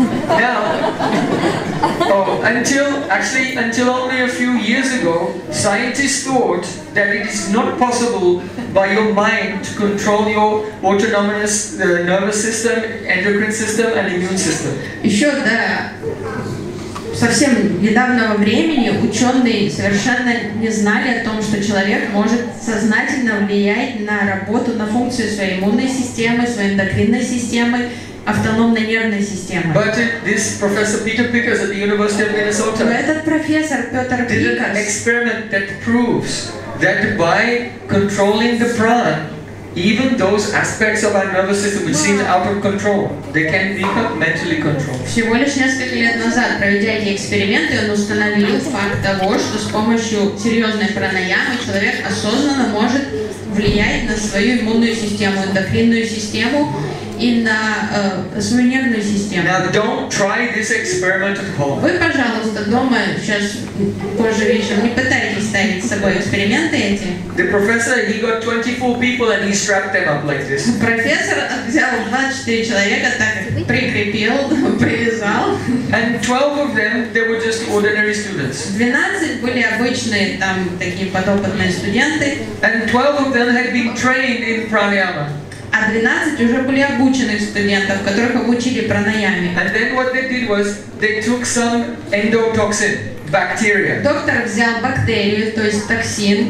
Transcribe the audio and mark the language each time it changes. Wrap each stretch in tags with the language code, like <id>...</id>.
<en>Yeah. Oh, until only a few years ago, scientists thought that it is not possible by your mind to control your autonomous nervous system, endocrine system, and immune system.</en> <ru>Еще до совсем недавнего времени ученые совершенно не знали о том, что человек может сознательно влиять на работу, на функцию своей иммунной системы, своей эндокринной системы, автономной нервной системы.</ru> <en>But this professor Peter Pickers at the University of Minnesota.</en> <ru>Но этот профессор Петр Пикерс.</ru> <en>Did an experiment that proves that by controlling the prana, even those aspects of our nervous system which seem out of control, they can be mentally controlled.</en> <ru>Всего лишь несколько лет назад, проведя эти эксперименты, он установил факт того, что с помощью серьезной пранаямы человек осознанно может влиять на свою иммунную систему, эндокринную систему и на свою нервную систему.</ru> <en>Now don't try this experiment at home.</en> <ru>Вы, пожалуйста, дома сейчас позже вечером не пытайтесь ставить с собой эксперименты эти.</ru> <en>The professor, he got 24 people and he strapped them up like this.</en> <ru>Профессор взял 24 человека, так прикрепил, привязал.</ru> <en>And 12 of them, they were just ordinary students.</en> <ru>12 были обычные там такие подопытные студенты.</ru> <en>And 12 of them had been trained in pranayama.</en> <ru>А 12 уже были обучены студентов, которых обучили пранаяме.</ru> <en>And then what they did was they took some endotoxin, bacteria.</en> <ru>Доктор взял бактерию, то есть токсин,</ru>